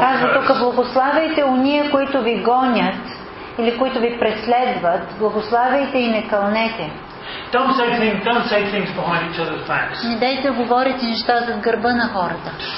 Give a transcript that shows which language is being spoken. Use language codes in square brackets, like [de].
[bg] Казва тук, благославяйте ония, които ви гонят или които ви преследват, благославяйте и не кълнете. [en] Don't say things behind each other's backs. [bg] Не дайте говорите неща зад гърба на хората.